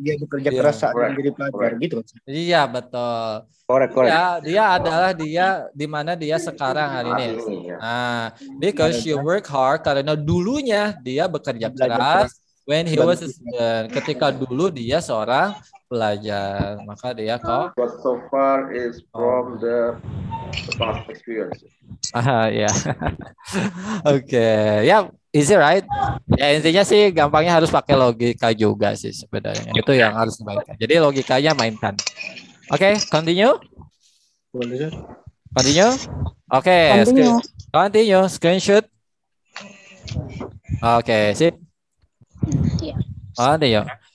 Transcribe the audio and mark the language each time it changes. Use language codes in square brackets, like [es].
[id] Dia bekerja keras saat menjadi pelajar gitu. Iya, betul. [en] Correct. [id] Ya, dia adalah dia di mana dia sekarang hari ini. [en] Nah, because she work hard [id] karena dulunya dia bekerja keras [en] when he was a student. [id] Ketika dulu dia seorang pelajar, maka dia kok. [en] But so far is from the past experience. Oke, ya, is it right? [id] Ya, intinya sih gampangnya harus pakai logika juga sih sebenarnya. Itu yang harus dimainkan. Jadi logikanya mainkan. Oke, [en] okay, continue. [id] Oke, [en] okay, continue. Screenshot. Oke, okay, sip. Continue.